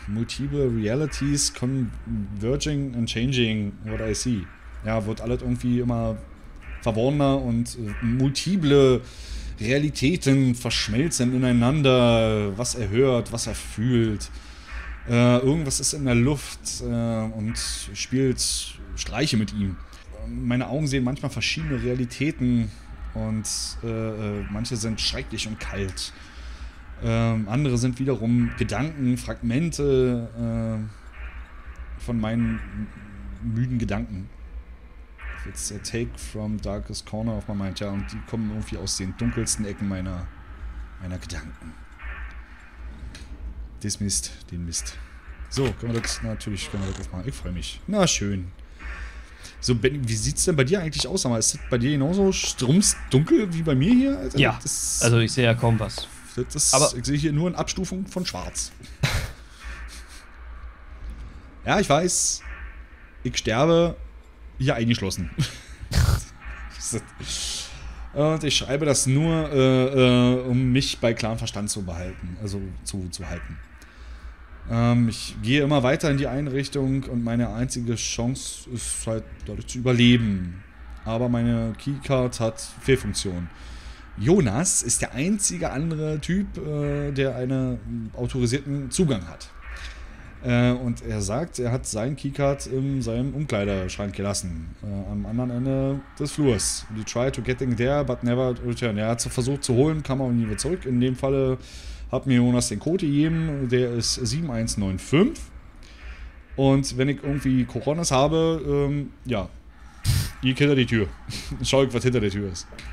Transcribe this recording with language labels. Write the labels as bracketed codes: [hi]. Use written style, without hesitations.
[en] Multiple realities converging and changing what I see. [de] Ja, wird alles irgendwie immer verworrener und multiple Realitäten verschmelzen ineinander. Was er hört, was er fühlt. Irgendwas ist in der Luft und spielt Streiche mit ihm. Meine Augen sehen manchmal verschiedene Realitäten und manche sind schrecklich und kalt. Andere sind wiederum Gedanken, Fragmente von meinen müden Gedanken. [en] It's a take from darkest corner of my mind. [de] Ja, und die kommen irgendwie aus den dunkelsten Ecken meiner Gedanken. Den Mist. So, können wir das jetzt machen. Ich freue mich. Na, schön. So, Ben, wie sieht's denn bei dir eigentlich aus? Aber ist das bei dir genauso strumsdunkel wie bei mir hier? Also, ja, das, also ich sehe ja kaum was. Aber ich sehe hier nur eine Abstufung von schwarz. Ja, ich weiß. Ich sterbe hier eingeschlossen. Und ich schreibe das nur, um mich bei klarem Verstand zu behalten. Also zu halten. Ich gehe immer weiter in die Einrichtung und meine einzige Chance ist halt dadurch zu überleben. Aber meine Keycard hat Fehlfunktion. Jonas ist der einzige andere Typ, der einen autorisierten Zugang hat. Und er sagt, er hat sein Keycard in seinem Umkleiderschrank gelassen. Am anderen Ende des Flurs. [en] We tried to get in there, but never return. [de] Er hat versucht zu holen, kam aber nie wieder zurück. In dem Falle hat mir Jonas den Code gegeben, der ist 7195. Und wenn ich irgendwie Coronas habe, ja, geh hinter die Tür. Schau ich, was hinter der Tür ist.